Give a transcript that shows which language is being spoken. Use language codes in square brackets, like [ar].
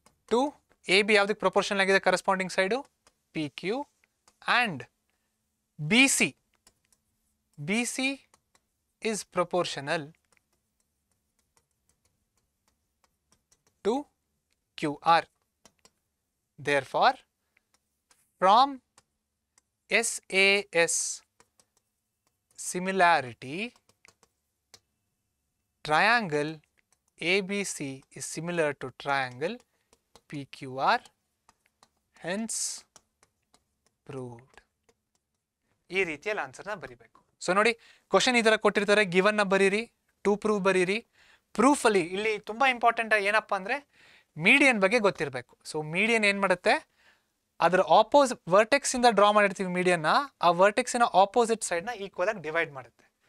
[en] to A B [kn] ಯಾವುದಕ್ಕೆ proportional ಆಗಿದೆ [en] Corresponding side P Q and B C B C is proportional to Q R therefore from SAS similarity, triangle ABC is similar to triangle PQR, hence proved. [kn] ಈ ರೀತಿಯಲ್ಲಿ ಆನ್ಸರ್ನ ಬರಿಬೇಕು. So ನೋಡಿ, question ಈ ಥರ ಕೊಟ್ಟಿರ್ತಾರೆ, given ನ ಬರೀರಿ, two proof ಬರೀರಿ. ಪ್ರೂಫಲ್ಲಿ ಇಲ್ಲಿ ತುಂಬ ಇಂಪಾರ್ಟೆಂಟ್ ಏನಪ್ಪ ಅಂದರೆ ಮೀಡಿಯನ್ ಬಗ್ಗೆ ಗೊತ್ತಿರಬೇಕು. ಸೊ ಮೀಡಿಯನ್ ಏನು ಮಾಡುತ್ತೆ, ಅದರ ಆಪೋಸ್ ವರ್ಟೆಕ್ಸಿಂದ ಡ್ರಾ ಮಾಡಿರ್ತೀವಿ ಮೀಡಿಯನ್ನ, ಆ ವರ್ಟೆಕ್ಸಿನ ಆಪೋಸಿಟ್ ಸೈಡ್ನ ಈಕ್ವಲ್ ಆಗಿ ಡಿವೈಡ್ ಮಾಡುತ್ತೆ.